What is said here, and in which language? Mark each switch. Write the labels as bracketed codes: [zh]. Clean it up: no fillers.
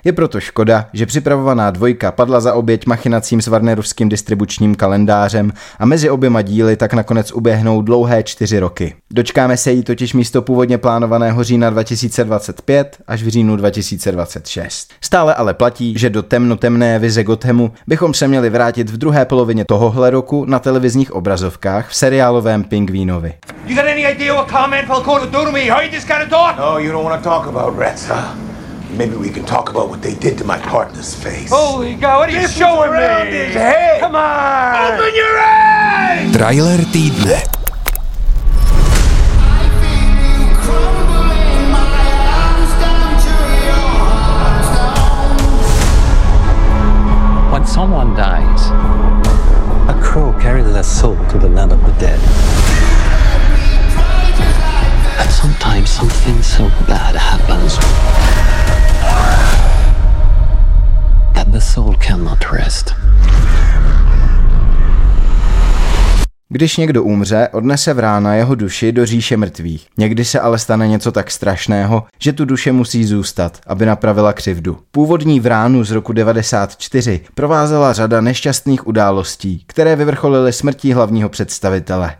[cs] Je proto škoda, že připravovaná dvojka padla za oběť machinacím s warnerovským distribučním kalendářem a mezi oběma díly tak nakonec uběhnou dlouhé 4 roky. Dočkáme se jí totiž místo původně plánovaného října 2025 až v říjnu 2026. Stále ale platí, že do temnotemné vize Gothamu bychom se měli vrátit v druhé polovině tohohle roku na televizních obrazovkách v seriálovém Pingvínovi. [en] You got any idea what comment Falcone will do to me? How you just gotta talk? No, you don't want to talk about rats, huh? Maybe we can talk about what they did to my partner's face. Holy God, what are you showing me? Hey! Come on! Open your eyes! [cs] Trailer týdne. [en] When someone dies, a crow carries their soul to the land of the dead. Sometimes something so bad happens that the soul cannot rest. [cs] Když někdo umře, odnese vrána jeho duši do říše mrtvých. Někdy se ale stane něco tak strašného, že tu duše musí zůstat, aby napravila křivdu. Původní vránu z roku 94 provázela řada nešťastných událostí, které vyvrcholily smrtí hlavního představitele.